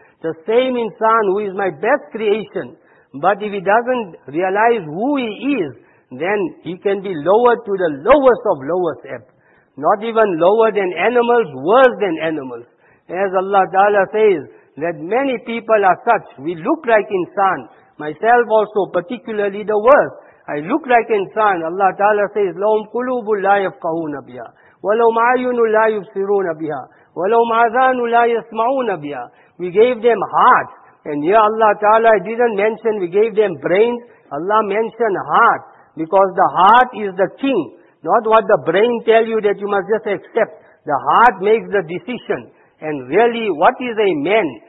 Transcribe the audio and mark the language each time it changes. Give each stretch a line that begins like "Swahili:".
English: The same insan who is my best creation, but if he doesn't realize who he is, then he can be lowered to the lowest of lowest depths. Not even lower than animals, worse than animals. As Allah Ta'ala says, that many people are such, we look like insan, myself also, particularly the worst. I look like insan, Allah Ta'ala says,
Arabic: لَهُمْ قُلُوبُ لَا يَفْقَهُونَ بِهَا وَلَهُمْ عَيُنُ لَا يُبْصِرُونَ بِهَا وَلَهُمْ عَذَانُ لَا يَسْمَعُونَ بِهَا.
English: We gave them heart, and here Allah Ta'ala didn't mention we gave them brains, Allah mentioned heart, because the heart is the king, not what the brain tells you that you must just accept. The heart makes the decision. And really, what is a man?